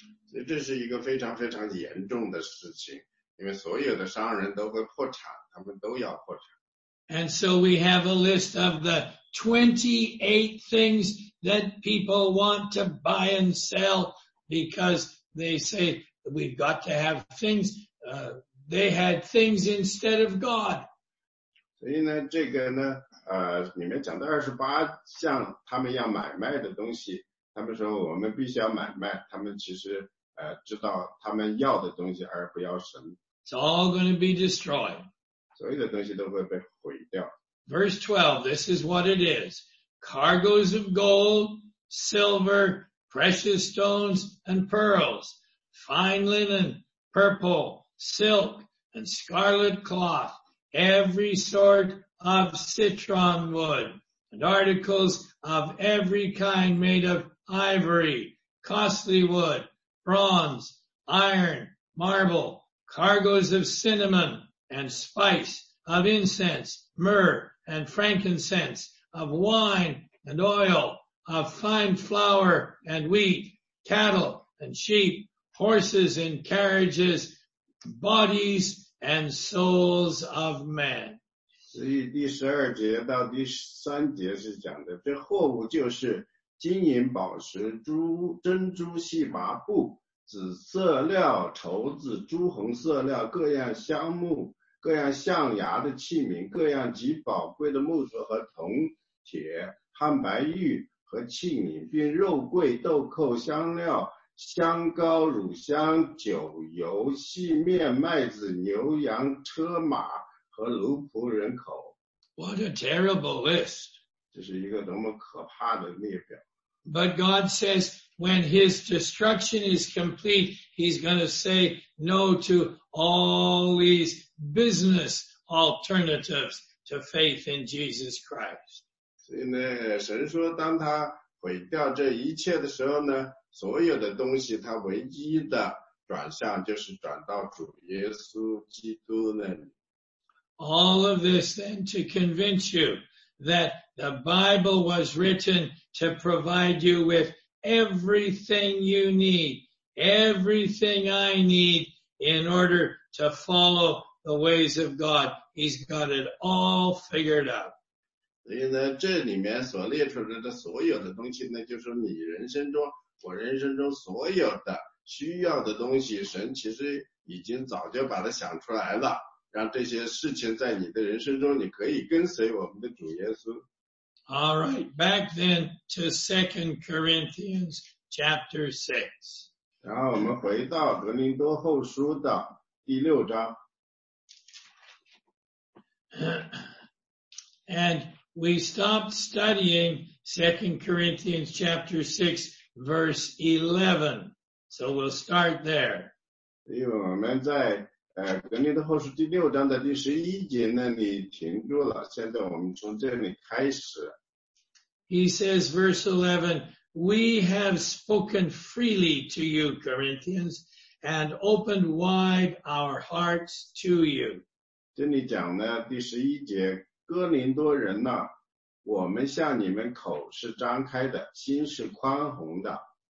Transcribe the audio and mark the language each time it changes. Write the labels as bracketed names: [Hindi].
[Chinese] 所以这是一个非常非常严重的事情，因为所有的商人都会破产，他们都要破产。 [English] And so we have a list of the 28 things that people want to buy and sell because they say we've got to have things. They had things instead of God. [Chinese] 所以呢，这个呢，里面讲的28项他们要买卖的东西，他们说我们必须要买卖，他们其实知道他们要的东西而不要神。 [English] It's all going to be destroyed. [Chinese] 所有的东西都会被毁掉。 [English] Verse 12, this is what it is. Cargoes of gold, silver, precious stones and pearls, fine linen, purple, silk and scarlet cloth, every sort of citron wood, and articles of every kind made of ivory, costly wood, bronze, iron, marble, cargoes of cinnamon,and spice, of incense, myrrh, and frankincense, of wine, and oil, of fine flour, and wheat, cattle, and sheep, horses, and carriages, bodies, and souls of men. [Chinese] 所以第十二节到第三节是讲的，这货物就是金银宝石、珍珠细麻布、紫色料、绸子、朱红色料、各样香木。各样象牙的器皿，各样极宝贵的木头和铜、铁、汉白玉和器皿，并肉桂、豆蔻、香料、香膏、乳香、酒油、细面、麦子、牛羊、车马和奴仆人口。 [English] What a terrible list! [Chinese] 这是一个多么可怕的列表。 [English] But God says, when His destruction is complete, He's going to say no to all these business alternatives to faith in Jesus Christ. [Chinese] 所以呢，神说当他毁掉这一切的时候呢，所有的东西他唯一的转向就是转到主耶稣基督那里。 [English] All of this then to convince you that the Bible was written to provide you with everything you need, everything I need in order to follow the ways of God. He's got it all figured out. [Chinese] 所以呢，这里面所列出来的所有的东西呢，就是你人生中，我人生中所有的需要的东西，神其实已经早就把它想出来了，让这些事情在你的人生中，你可以跟随我们的主耶稣。 [English] All right, back then to 2 Corinthians chapter 6. [Chinese] 然后我们回到格林多后书的第六章。 [English] And we stopped studying 2 Corinthians chapter 6 verse 11. So we'll start there. [Chinese] 所以我们在格林多后书第六章的第十一节那里停住了，现在我们从这里开始。 [English] He says, verse 11, we have spoken freely to you, Corinthians, and opened wide our hearts to you. [Chinese] 这里讲呢，第十一节，哥林多人呢，我们向你们口是张开的，心是宽宏的。